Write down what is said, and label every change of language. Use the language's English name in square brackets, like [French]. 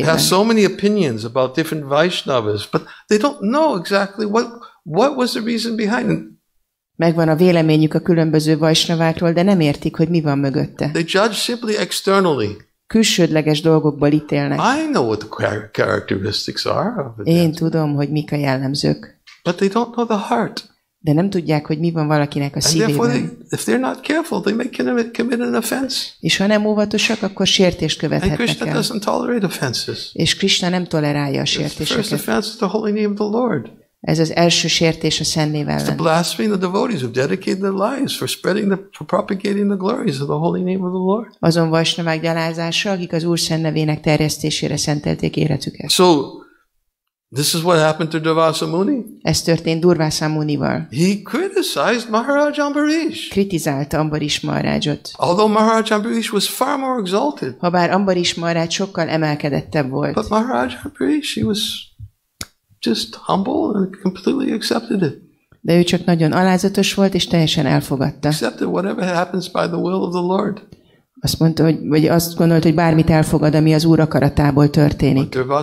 [English] They have so many opinions about different Vaishnavas, but they don't know exactly what was the reason behind it. [Hungarian] Megvan a véleményük a különböző Vaishnavákról, de nem értik, hogy mi van mögötte. [English] They judge simply externally. [Hungarian] Külsődleges dolgokból ítélnek. [English] I know what the characteristics are of [Hungarian] a Én tudom, hogy mik a jellemzők. [English] But they don't know the heart. [Hungarian] De nem tudják, hogy mi van valakinek a szívében. [English] If they're not careful, they may commit an offense. [Hungarian] És ha nem óvatosak, akkor sértést követhetnek el. [English] And Krishna doesn't tolerate offenses. [Hungarian] És Krishna nem tolerálja a sértéseket. [English] The first offense is the holy name of the Lord. [Hungarian] Ez az első sértés a Szent Név ellen. [English] It's the blasphemy of the devotees who've dedicated their lives for spreading for propagating the glories of the holy name of the Lord. [Hungarian] Azon vasnavák gyalázása, akik az Úr Szent Nevének terjesztésére szentelték életüket. [English] So, this is what happened to Durvasa Muni. [Hungarian] Ez történt Durvasa Munival. [English] He criticized Maharaj Ambarish. [Hungarian] Kritizálta Ambarish Maharajot. [English] Although Maharaj Ambarish was far more exalted. [Hungarian] Habár Ambarish Maharaj sokkal emelkedettebb volt. [English] But Maharaj Ambarish, he was just humble and completely accepted it. [Hungarian] De ő csak nagyon alázatos volt és teljesen elfogadta. [English] Accepted whatever happens by the will of the Lord. [Hungarian] Azt mondta, hogy, vagy azt gondolta, hogy bármit elfogad, ami az Úr akaratából történik.